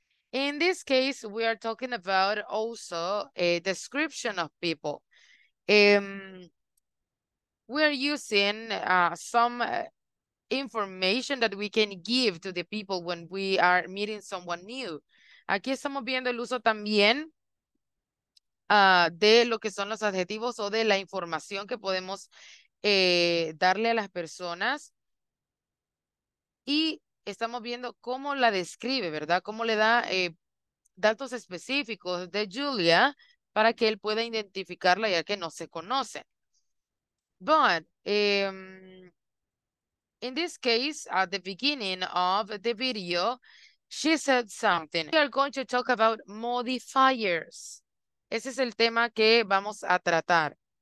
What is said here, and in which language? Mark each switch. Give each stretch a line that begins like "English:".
English: In this case, we are talking about also a description of people. We're using some information that we can give to the people when we are meeting someone new.
Spanish: Aquí estamos viendo el uso también de lo que son los adjetivos o de la información que podemos darle a las personas. Y estamos viendo cómo la describe, ¿verdad? Cómo le da datos específicos de Julia para que él pueda identificarla ya que no se conoce.
English: But in this case, at the beginning of the video, she said something. We are going to talk about modifiers.
Spanish: Ese es el tema que vamos a tratar.